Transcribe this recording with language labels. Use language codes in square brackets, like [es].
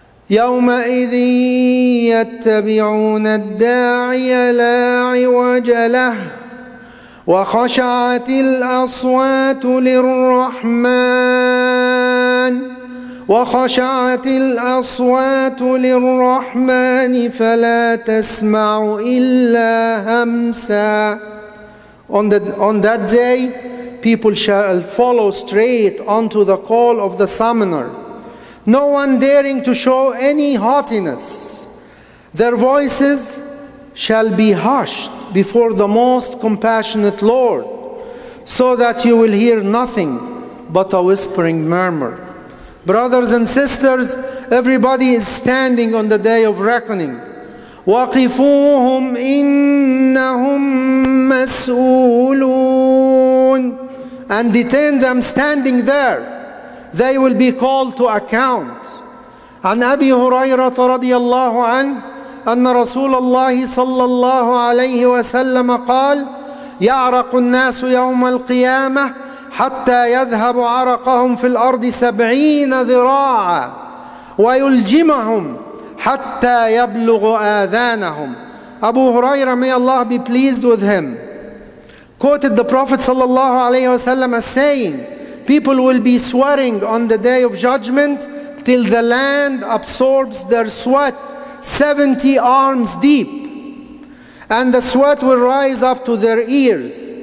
[ar] يومئذ يتبعون الداعي لا عوج له وخشعت الأصوات للرحمن وخشعت الأصوات للرحمن فلا تسمع إلا همسا. [en] On that day, people shall follow straight unto the call of the summoner, no one daring to show any haughtiness. Their voices shall be hushed before the most compassionate Lord, so that you will hear nothing but a whispering murmur. Brothers and sisters, everybody is standing on the day of reckoning. [ar] وَقِفُوهُمْ إِنَّهُمْ مَسْؤُولُونَ. [en] And detain them standing there. They will be called to account. [ar] عن أبي هريرة رضي الله عنه أن رسول الله صلى الله عليه وسلم قال يعرق الناس يوم القيامة حتى يذهب عرقهم في الأرض 70 ذراعا ويلجمهم حتى يبلغ آذانهم. [en] أبو هريرة, may Allah be pleased with him, quoted the Prophet [ar] صلى الله عليه وسلم [en] as saying, people will be sweating on the day of judgment till the land absorbs their sweat 70 arms deep, and the sweat will rise up to their ears.